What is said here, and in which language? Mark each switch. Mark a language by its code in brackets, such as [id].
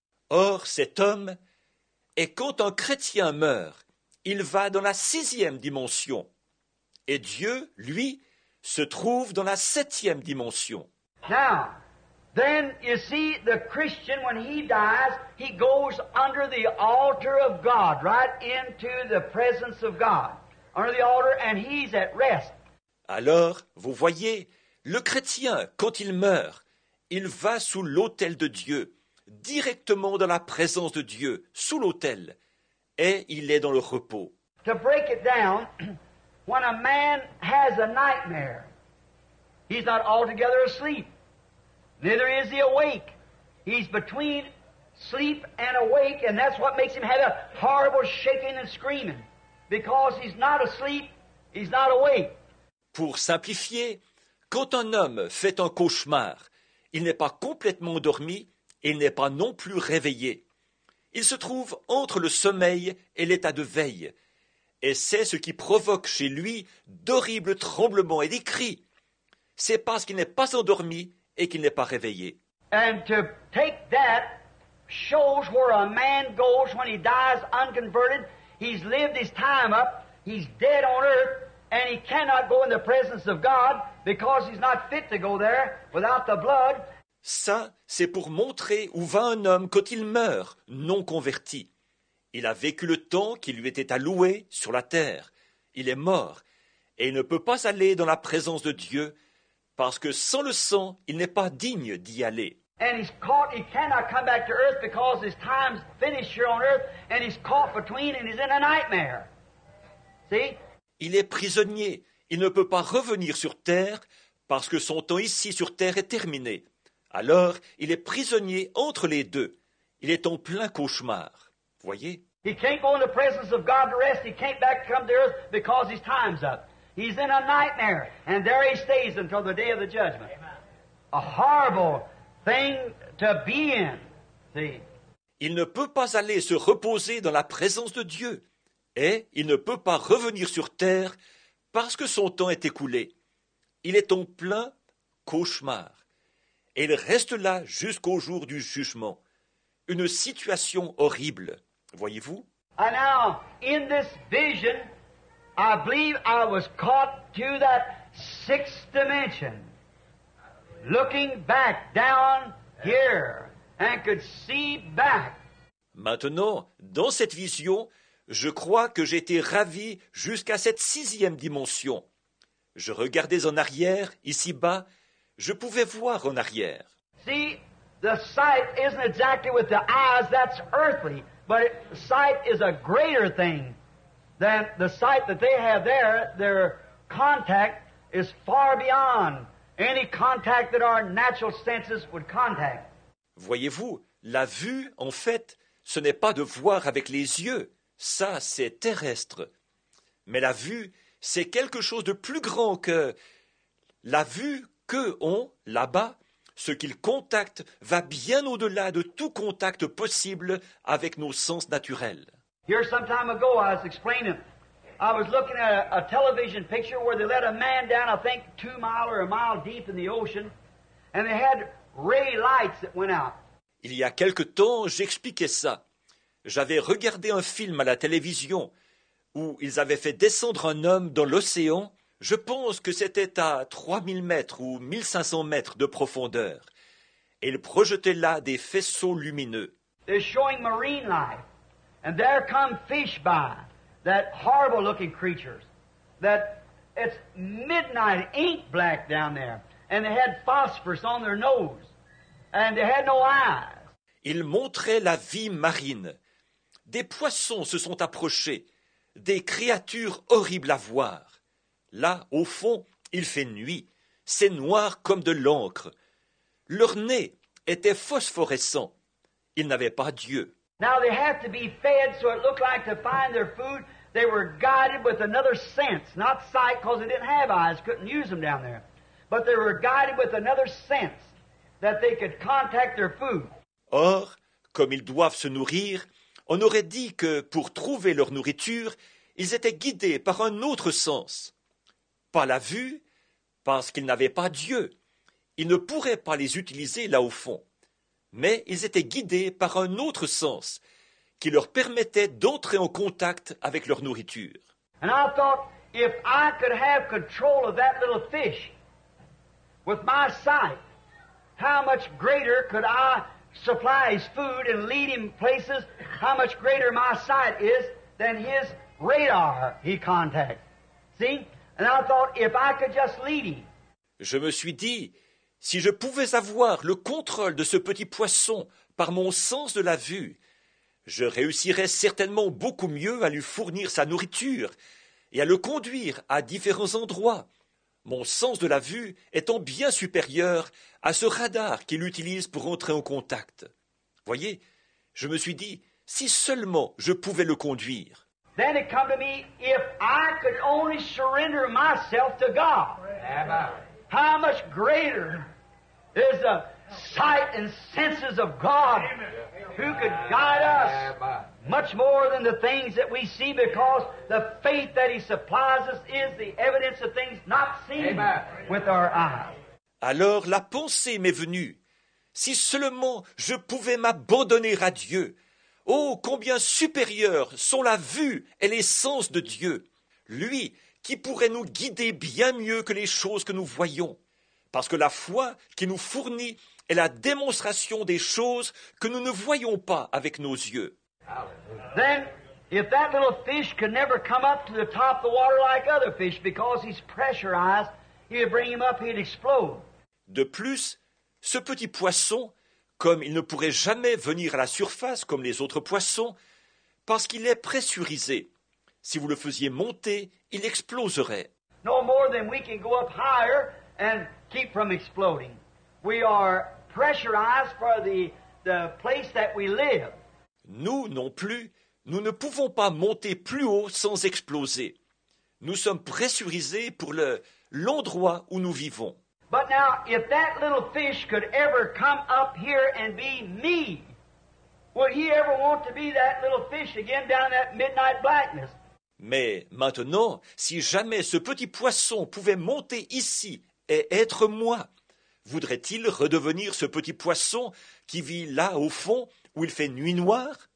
[fr] Or, cet homme, et quand un chrétien meurt, il va dans la sixième dimension. Et Dieu, lui, se trouve dans la septième dimension. [en] Now, then, you see, the Christian, when he dies, he goes under the altar of God, right into the presence of God, under the altar, and he's at rest. [fr] Alors, vous voyez, le chrétien, quand il meurt, il va sous l'autel de Dieu, directement dans la présence de Dieu, sous l'autel, et il est dans le repos. [en] To break it down, when a man has a nightmare, he's not altogether asleep. Neither is he awake. He's between sleep and awake, and that's what makes him have a horrible shaking and screaming. Because he's not asleep, he's not awake. [fr] Pour simplifier, quand un homme fait un cauchemar, il n'est pas complètement endormi et il n'est pas non plus réveillé. Il se trouve entre le sommeil et l'état de veille. Et c'est ce qui provoque chez lui d'horribles tremblements et des cris. C'est parce qu'il n'est pas endormi et qu'il n'est pas réveillé. [en] And to take that shows where a man goes when he dies unconverted. He's lived his time up. He's dead on earth. And he cannot go in the presence of God because he's not fit to go there without the blood. [fr] Ça, c'est pour montrer où va un homme quand il meurt, non converti. Il a vécu le temps qui lui était alloué sur la terre. Il est mort et il ne peut pas aller dans la présence de Dieu parce que sans le sang, il n'est pas digne d'y aller. [en] And he's caught, he cannot come back to earth because his time's finished here on earth and he's caught between and he's in a nightmare. See? [fr] Il est prisonnier. Il ne peut pas revenir sur terre parce que son temps ici sur terre est terminé. Alors, il est prisonnier entre les deux. Il est en plein cauchemar. Voyez? [en] He can't go in the presence of God to rest. He can't back come to earth because his time's up. He's in a nightmare. And there he stays until the day of the judgment. A horrible thing to be in. See? [fr] Il ne peut pas aller se reposer dans la présence de Dieu. Et il ne peut pas revenir sur terre parce que son temps est écoulé. Il est en plein cauchemar. Et il reste là jusqu'au jour du jugement. Une situation horrible, voyez-vous? [en] And now, in this vision, I believe I was caught to that sixth dimension, looking back down here, and could see back. [fr] Maintenant, dans cette vision, je crois que j'étais ravi jusqu'à cette sixième dimension. Je regardais en arrière, ici-bas, je pouvais voir en arrière. [en] See, the sight isn't exactly with the eyes, that's earthly, but sight is a greater thing than the sight that they have there. Their contact is far beyond any contact that our natural senses would contact. [fr] Voyez-vous, la vue, en fait, ce n'est pas de voir avec les yeux. Ça, c'est terrestre. Mais la vue, c'est quelque chose de plus grand que la vue qu'eux ont là-bas. Ce qu'ils contactent va bien au-delà de tout contact possible avec nos sens naturels. [en] Here, some time ago, I was explaining. I was looking at a television picture where they let a man down, I think, 2 miles or 1 mile deep in the ocean, and they had ray lights that went out. [fr] Il y a quelque temps, j'expliquais ça. J'avais regardé un film à la télévision où ils avaient fait descendre un homme dans l'océan. Je pense que c'était à 3000 mètres ou 1500 mètres de profondeur. Et ils projetaient là des faisceaux lumineux. [en] They're showing marine life. And there come fish by, that horrible-looking creatures. That it's midnight, ink black down there. And they had phosphorus on their nose. And they had no eyes. [fr] Ils montraient la vie marine. Des poissons se sont approchés, des créatures horribles à voir. Là, au fond, il fait nuit, c'est noir comme de l'encre. Leur nez était phosphorescent, ils n'avaient pas Dieu. [en] Now they have to be fed so it looked like to find their food, they were guided with another sense, not sight because they didn't have eyes, couldn't use them down there. But they were guided with another sense that they could contact their food. [fr] Or, comme ils doivent se nourrir, on aurait dit que, pour trouver leur nourriture, ils étaient guidés par un autre sens. Pas la vue, parce qu'ils n'avaient pas Dieu. Ils ne pourraient pas les utiliser là au fond. Mais ils étaient guidés par un autre sens, qui leur permettait d'entrer en contact avec leur nourriture. [en] And I thought, if I could have control of that little fish with my sight, how much greater could I supply his food and lead him places, how much greater my sight is than his radar he contacts. See? And I thought, if I could just lead him. [fr] Je me suis dit, si je pouvais avoir le contrôle de ce petit poisson par mon sens de la vue, je réussirais certainement beaucoup mieux à lui fournir sa nourriture et à le conduire à différents endroits. Mon sens de la vue étant bien supérieur à ce radar qu'il utilise pour entrer en contact. Voyez, je me suis dit, si seulement je pouvais le conduire. [en] Then it come to me, if I could only surrender myself to God. How much greater is the sight and senses of God who could guide us much more than the things that we see, because the faith that he supplies us is the evidence of things not seen with our eyes. [fr] Alors la pensée m'est venue, si seulement je pouvais m'abandonner à Dieu. Oh, combien supérieurs sont la vue et les sens de Dieu, lui qui pourrait nous guider bien mieux que les choses que nous voyons, parce que la foi qui nous fournit est la démonstration des choses que nous ne voyons pas avec nos yeux. [en] Then, if that little fish could never come up to the top of the water like other fish, because he's pressurized, he'd bring him up, he'd explode. [fr] De plus, ce petit poisson, comme il ne pourrait jamais venir à la surface comme les autres poissons, parce qu'il est pressurisé. Si vous le faisiez monter, il exploserait. [en] No more than we can go up higher and keep from exploding. We are pressurized for the place that we live. [fr] Nous non plus, nous ne pouvons pas monter plus haut sans exploser. Nous sommes pressurisés pour l'endroit où nous vivons. [en] But now, if that little fish could ever come up here and be me, would he ever want to be that little fish again down in that midnight blackness? [fr] Mais maintenant, si jamais ce petit poisson pouvait monter ici et être moi, voudrait-il redevenir ce petit poisson qui vit là au fond où il fait nuit noire?